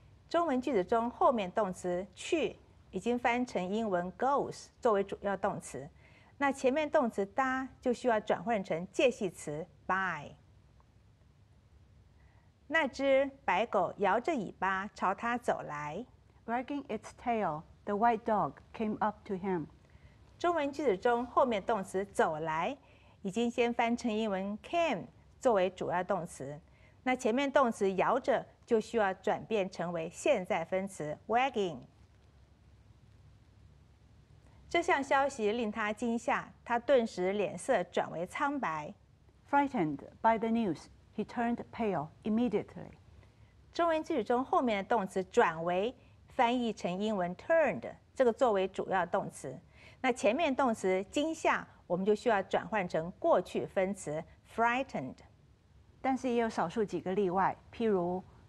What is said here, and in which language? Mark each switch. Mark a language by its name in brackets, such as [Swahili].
[Chinese] 中文句子中后面动词"去"已经翻成英文 "goes" 作为主要动词，那前面动词"搭"就需要转换成介系词 "by"。那只白狗摇着尾巴朝他走来。 [English] Wagging its tail, the white dog came up to him. [Chinese] 中文句子中后面动词"走来"已经先翻成英文 "came" 作为主要动词，那前面动词"摇着"就需要转变成为现在分词 "wagging"。这项消息令他惊吓，他顿时脸色转为苍白。 [English] Frightened by the news, he turned pale immediately. [Chinese] 中文句子中后面的动词"转为"翻译成英文 "turned"，这个作为主要动词。那前面动词惊吓，我们就需要转换成过去分词 frightened。但是也有少数几个例外，譬如